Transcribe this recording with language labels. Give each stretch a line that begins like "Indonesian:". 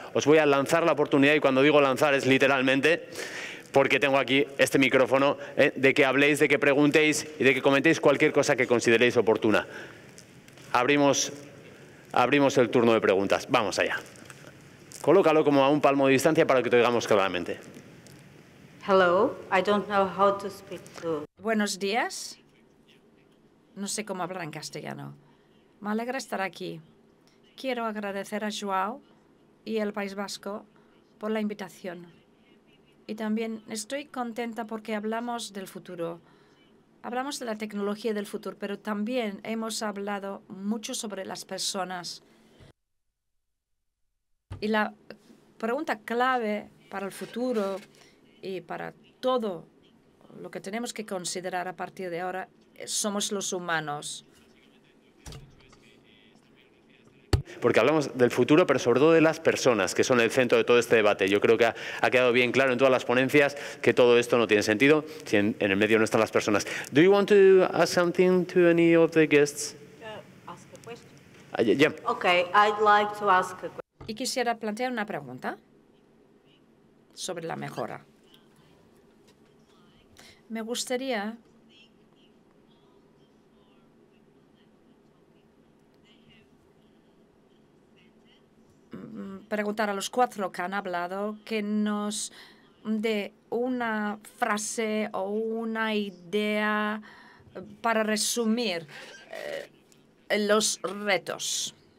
Spanish: Os voy a lanzar la oportunidad, y cuando digo lanzar es literalmente, porque tengo aquí este micrófono, de que habléis, de que preguntéis y de que comentéis cualquier cosa que consideréis oportuna. Abrimos el turno de preguntas. Vamos allá. Colócalo como a un palmo de distancia para que te oigamos claramente.
English: Hello, I don't know how to speak to...
Spanish: Buenos días. No sé cómo hablar en castellano. Me alegra estar aquí. Quiero agradecer a Joao y el País Vasco por la invitación. Y también estoy contenta porque hablamos del futuro. Hablamos de la tecnología del futuro, pero también hemos hablado mucho sobre las personas. Y la pregunta clave para el futuro y para todo lo que tenemos que considerar a partir de ahora, somos los humanos. Porque hablamos del futuro, pero sobre todo de las personas, que son el centro de todo este debate. Yo creo que ha quedado bien claro en todas las ponencias que todo esto no tiene sentido si en el medio no están las personas.
English: Do you want to ask something to any of the guests? Ask a question. Yeah. Okay, I'd like to ask a question.
Spanish: Y quisiera plantear una pregunta sobre la mejora. Me gustaría preguntar a los cuatro que han hablado que nos dé una frase o una idea para resumir los retos.